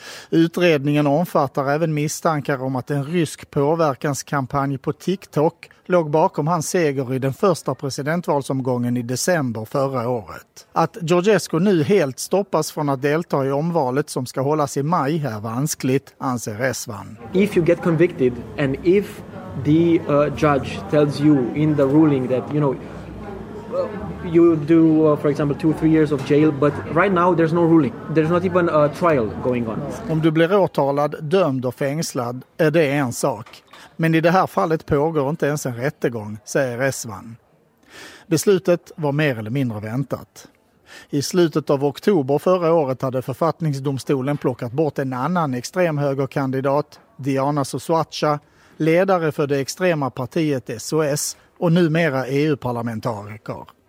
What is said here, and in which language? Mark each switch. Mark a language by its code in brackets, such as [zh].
[sv] Utredningen omfattar även misstankar om att en rysk påverkanskampanj på TikTok låg bakom hans seger i den första presidentvalsomgången i december förra året. Att Georgescu nu helt stoppas från att delta i omvalet som ska hållas i maj är vanskligt, anser Rezvan. [en] If you get convicted and if the judge tells you in the ruling that, you know, you do, for example, 2-3 years of jail, but right now there's no ruling. There's not even a trial going on. [sv] Om du blir åtalad, dömd och fängslad är det en sak. Men i det här fallet pågår inte ens en rättegång, säger Resvan. Beslutet var mer eller mindre väntat. I slutet av oktober förra året hade författningsdomstolen plockat bort en annan extremhögerkandidat, Diana Sosuacha, ledare för det extrema partiet SOS och numera EU-parlamentariker.